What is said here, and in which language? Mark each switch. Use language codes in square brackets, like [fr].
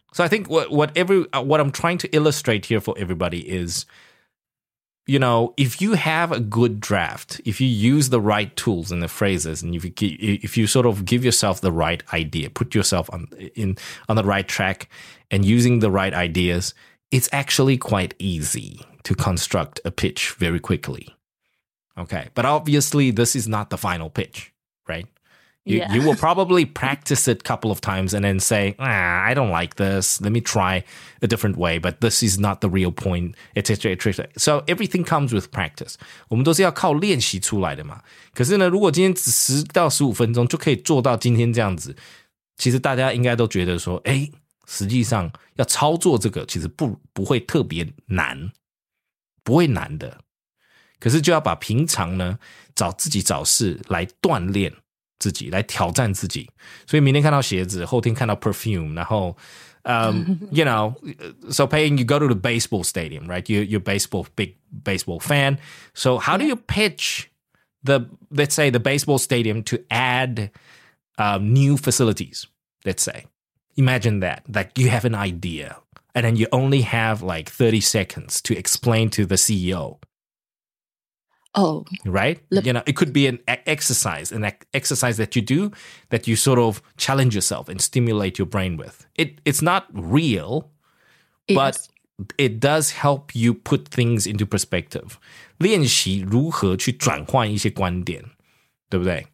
[en] So I think what I'm trying to illustrate here for everybody is, you know, if you have a good draft, if you use the right tools and the phrases, and if you sort of give yourself the right idea, put yourself on the right track and using the right ideas, it's actually quite easy to construct a pitch very quickly. Okay, but obviously this is not the final pitch, right? You will probably practice it a couple of times and then say, I don't like this. Let me try a different way, but this is not the real point, etc., etc. So everything comes with practice. [zh] 我们都是要靠练习出来的嘛。可是呢，如果今天只10到15分钟就可以做到今天这样子， 其实大家应该都觉得说，实际上要操作这个其实不会特别难，不会难的。可是就要把平常呢找自己找事来锻炼自己，来挑战自己。所以明天看到鞋子，后天看到perfume， 然后 [en] you know, so Paying, you go to the baseball stadium, right? You're a baseball, big baseball fan. So how do you pitch let's say the baseball stadium to add new facilities, let's say. Imagine that, like you have an idea and then you only have like 30 seconds to explain to the CEO. Oh. Right? You know, it could be an exercise that you do that you sort of challenge yourself and stimulate your brain with. It's not real, but it does help you put things into perspective. [zh] 练习如何去转换一些观点，对不对？